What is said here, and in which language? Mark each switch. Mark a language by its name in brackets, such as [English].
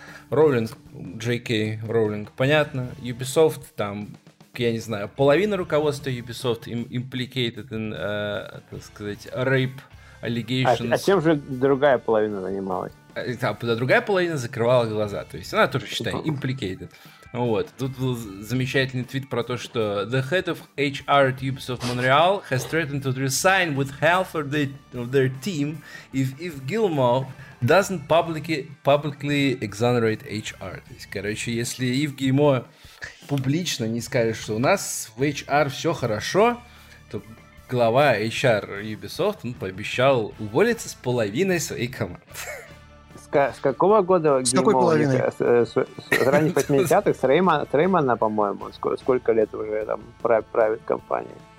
[Russian] Роулинг, J.K. Роулинг, понятно. Ubisoft, там, я не знаю, половина руководства Ubisoft [English] implicated in, [Russian] так сказать, [English] rape allegations. [Russian] А чем же другая половина занималась? Другая половина закрывала глаза. То есть она тоже, считай, implicated. Вот, тут был замечательный твит про то, что [English] «The head of HR at Ubisoft Montreal has threatened to resign with half of their team if Gilmore doesn't publicly exonerate HR». [Russian] То есть, короче, если Ив Гильмо публично не скажет, что у нас в HR все хорошо, то глава HR Ubisoft, он пообещал уволиться с половиной своей команды. С какого года с Гильмо? С ранних 80-х, с Реймана, по-моему, сколько лет уже там правит компания.